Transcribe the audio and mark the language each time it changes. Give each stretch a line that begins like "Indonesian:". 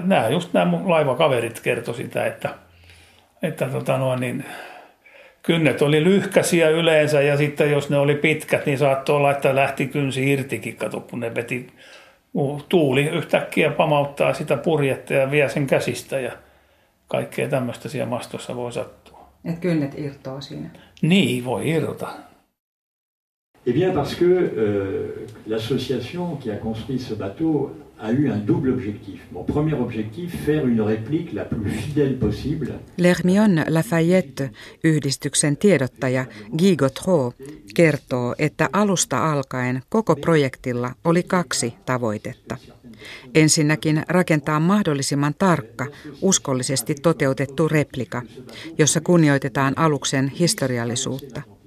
Finnish: Just nämä mun laivakaverit kertoi sitä, että kynnet oli lyhkäisiä yleensä ja sitten jos ne oli pitkät, niin saattoi olla, että lähti kynsi irtikin. Kato, kun ne veti tuuli yhtäkkiä pamauttaa sitä purjetta ja vie sen käsistä ja kaikkea tämmöistä siellä mastossa voi sattua. Että kynnet irtoo siinä. Niin, voi irrota.
French: Eh bien parce que l'association qui a construit ce bateau a eu un double objectif. Mon premier objectif, faire une réplique la plus fidèle possible.
Finnish: L'Hermione Lafayette, yhdistyksen tiedottaja Guy Gautreau, kertoo, että alusta alkaen koko projektilla oli kaksi tavoitetta. Ensinnäkin rakentaa mahdollisimman tarkka, uskollisesti toteutettu replika, jossa kunnioitetaan aluksen historiallisuutta.